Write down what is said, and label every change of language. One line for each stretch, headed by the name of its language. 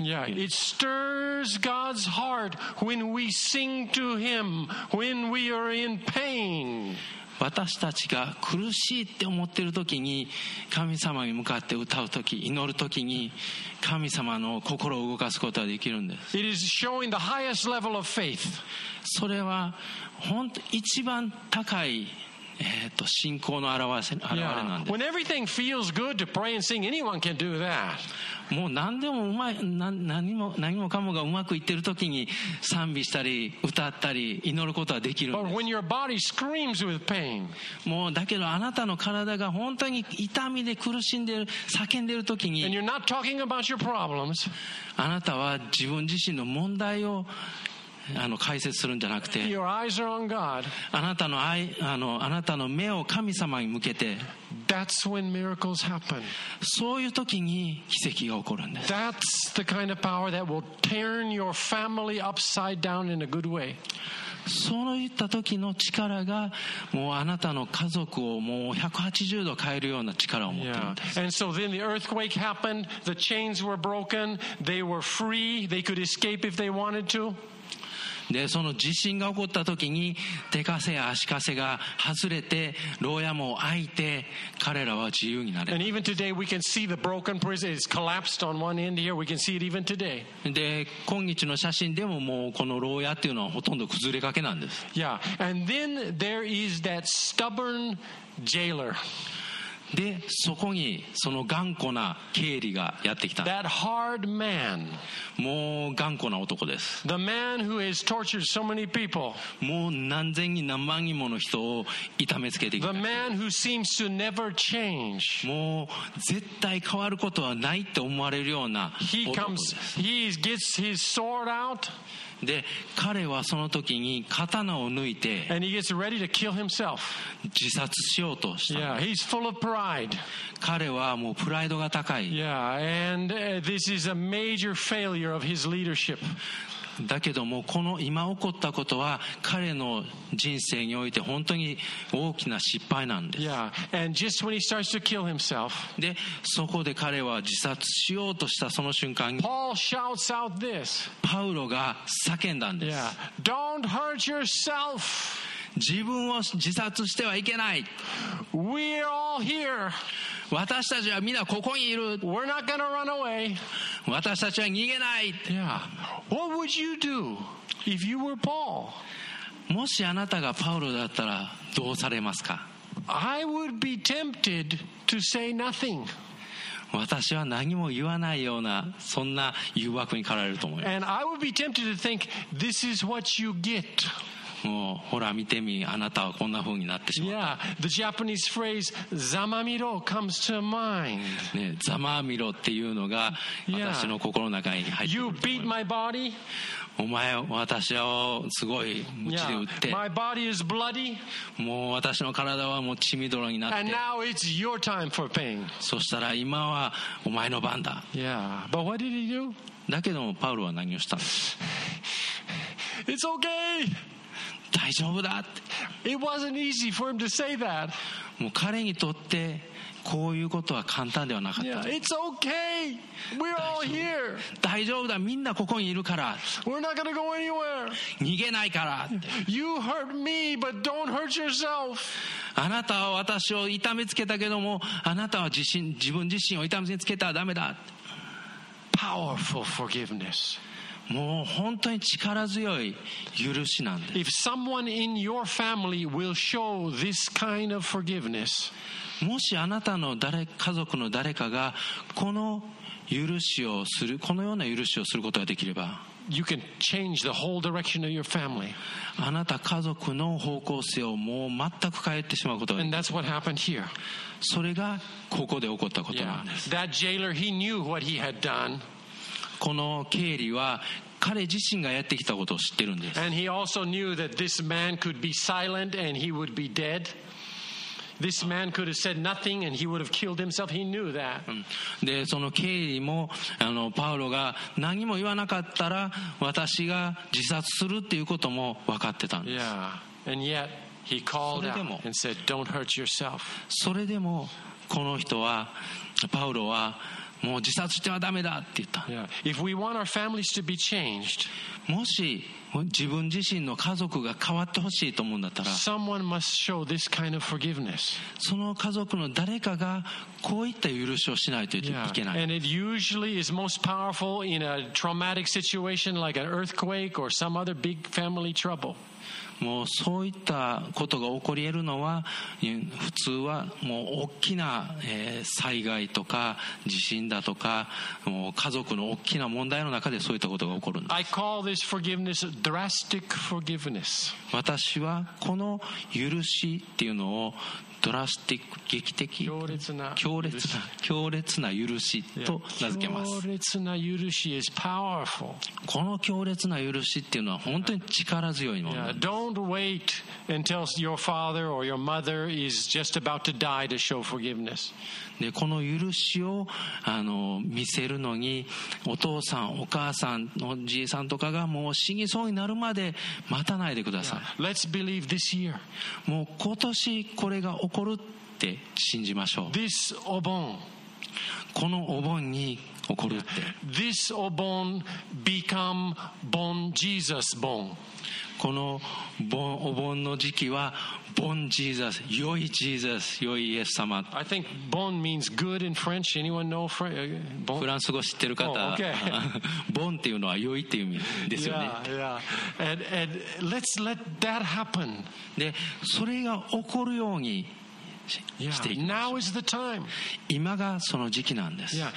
English: Yeah, it stirs God's heart when we sing to Him when we are in pain.
Japanese: 私たちが苦しいって思ってる時に神様に向かって歌う時祈る時に神様の心を動かすことができるんです。
English: It is showing the highest level of faith.
Japanese: それは本当一番高い信仰の表れなんです。
English: Yeah. When everything feels good to pray and sing, anyone can do that.
Japanese: もう何でもうまい、何もかもがうまくいってる時に賛美したり歌ったり祈ることはできるんです。
English: But when your body screams with pain,
Japanese: もうだけどあなたの体が本当に痛みで苦しんでる叫んでる時に、
English: and you're not talking about your problems,
Japanese: あなたは自分自身の問題を解説するんじゃなくて、
English: Your eyes are on God.
Japanese: あなたの目を神様に向けて、
English: That's when miracles happen.
Japanese: そういう時に奇跡が起こるんです。
English: That's the kind of power that will turn your family upside down in a good way.
Japanese: そういった時の力が、もうあなたの家族をもう180度変えるような力を持っているんです。
English: Yeah. And so then the earthquake happened. The chains were broken. They were free. They could escape if they wanted to.
Japanese: でその地震が起こった時に手かせや足かせが外れて牢屋も開いて彼らは自由になれた。
English: And even today we can see the broken prison is collapsed on one end here. We can see it even today.
Japanese: で今日の写真でももうこの牢屋っていうのはほとんど崩れかけなんです。
English: Yeah. And then there is that stubborn jailer.
Japanese: でそこにその頑固なケーリがやってきた。
English: That hard man.
Japanese: もう頑固な男です。
English: The man who has tortured so many people.
Japanese: もう何千人何万人もの人を痛めつけてきた。
English: The man who seems to never change.
Japanese: もう絶対変わることはないって思われるような男です。
English: He comes, he gets his sword out.
Japanese: で彼はその時に刀を抜いて
English: And he gets ready to kill himself.
Japanese: 自殺しようとした。
English: Yeah, he's full of pride.
Japanese: 彼はもうプライドが高い。
English: Yeah, and this is a major failure of his leadership.
Japanese: だけどもこの今起こったことは彼の人生において本当に大きな失敗なんです。
English: Yeah, and just when he starts to kill himself,
Japanese: でそこで彼は自殺しようとしたその瞬間に
English: Paul shouts out this.
Japanese: パウロが叫んだんです。
English: Yeah, don't hurt yourself.
Japanese: 自分を自殺してはいけない。
English: We're all here.
Japanese: 私たちはみんなここにいる。
English: We're not gonna run away.
Japanese: 私たちは逃げない。
English: Yeah. What would you do if you were Paul?
Japanese: もしあなたがパウロだったらどうされますか?
English: I would be tempted to say nothing.
Japanese: 私は何も言わないようなそんな誘惑に駆られると思います。
English: And I would be tempted to think this is what you get.
Japanese: もうほら見てみあなたはこんな風になってしまった。
English: Yeah, the Japanese phrase
Japanese: ざまみろ
English: comes to mind.
Japanese: ね、ざまみろっていうのが私の心の中に入ってくる。
English: You beat my body.
Japanese: お前私をすごい鞭で打って。
English: Yeah, my body is bloody.
Japanese: もう私の体はもう血みどろになって。
English: And now it's your time for pain.
Japanese: そしたら今はお前の番だ。
English: Yeah, but what did he do?
Japanese: だけどもパウロは何をしたの?
English: It's okay.
Japanese: 大丈夫だって。
English: It wasn't easy for him to say that.
Japanese: もう彼にとってこういうことは簡単ではなかった。
English: Yeah, it's okay. We're all here.
Japanese: 大丈夫だ。みんなここにいるから。
English: We're not gonna go anywhere.
Japanese: 逃げないから。
English: You hurt me, but don't hurt yourself.
Japanese: あなたは私を痛めつけたけども、あなたは自分自身を痛めつけたらダメだ。
English: Powerful forgiveness.
Japanese: もう本当に力強い許しなんです。
English: If someone in your family will show this kind of forgiveness,
Japanese: もしあなたの家族の誰かがこの許しをするこのような許しをすることができれば、
English: you can change the whole direction of your family.
Japanese: あなた家族の方向性をもう全く変えてしまうことができる。
English: And that's what happened here.
Japanese: それがここで起こったことなんです。
English: Yeah. That jailer, he knew what he had done.
Japanese: このケーリは彼自身がやってきたことを知ってるんです。
English: And he also knew that this man could be silent and he would be dead. This man could have said nothing and he would have killed himself. He knew that.
Japanese: で、そのケーリもパウロが何も言わなかったら私が自殺するっていうことも分かってたんです。
English: Yeah. And yet he called out and said, "Don't hurt yourself."
Japanese: それでもこの人はパウロはもう自殺してはダメだって言った。
English: Yeah. If we want our families to be changed,
Japanese: もし自分自身の家族が変わってほしいと思うんだったら、
English: someone must show this kind of forgiveness.
Japanese: その家族の誰かがこういった許しをしないといけない。
English: Yeah. And it usually is most powerful in a traumatic situation like an earthquake or some other big family trouble.
Japanese: もうそういったことが起こり得るのは普通はもう大きな災害とか地震だとかもう家族の大きな問題の中でそういったことが起こるんです。
English: I call this forgiveness drastic forgiveness.
Japanese: 私はこの許しっていうのをドラスティック劇的強烈な許しと名付けます。強烈な許し
English: is powerful.
Japanese: この強烈な許しっていうのは本当に力強いものなんです。
English: Yeah. Don't wait until your father or your mother is just about to die to show forgiveness.
Japanese: でこの許しを見せるのにお父さんお母さんおじいさんとかがもう死にそうになるまで待たないでください。
English: Yeah. Let's believe this year.
Japanese: もう今年これが起こるって信じましょう。
English: This お盆、
Japanese: このお盆に起こるって。
English: This お盆 become 盆 Jesus 盆、
Japanese: このお盆の時期は盆 Jesus、 良いジーザス、良いイエス様。
English: I think 盆 means good in French. Anyone know bon?
Japanese: フランス語知ってる方、
English: oh, okay.
Japanese: 盆っていうのは良いっていう意味ですよね。
English: yeah, yeah. And let's let that happen.
Japanese: でそれが起こるようにしていきましょう。今がその時期なんです。